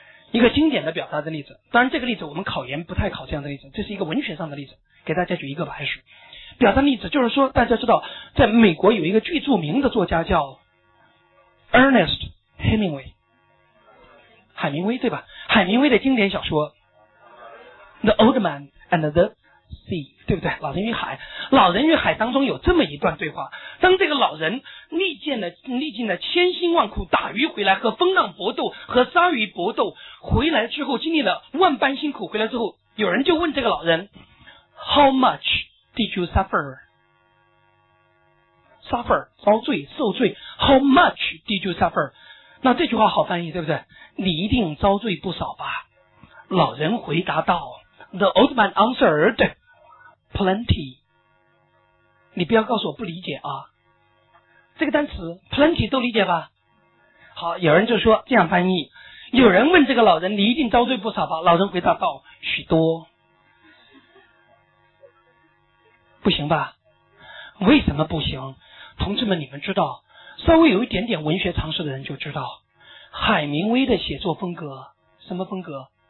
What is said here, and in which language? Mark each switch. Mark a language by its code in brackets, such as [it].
[zh] 一个经典的表达的例子，当然这个例子我们考研不太考这样的例子，这是一个文学上的例子，给大家举一个吧。还是表达例子，就是说大家知道在美国有一个最著名的作家叫 Ernest Hemingway， 海明威，对吧？海明威的经典小说 The Old Man and the Sea， 对不对？老人与海。老人与海当中有这么一段对话，当这个老人历尽了千辛万苦打鱼回来，和风浪搏斗，和鲨鱼搏斗回来之后，经历了万般辛苦回来之后，有人就问这个老人 [en] How much did you suffer [zh] 遭罪受罪 How much did you suffer， 那这句话好翻译，对不对？你一定遭罪不少吧。老人回答道， [en] The old man answered Plenty。 [zh] 你不要告诉我不理解啊，这个单词 plenty 都理解吧。好，有人就说这样翻译，有人问这个老人，你一定遭罪不少吧，老人回答道，许多。不行吧？为什么不行？同志们，你们知道，稍微有一点点文学常识的人就知道，海明威的写作风格，什么风格？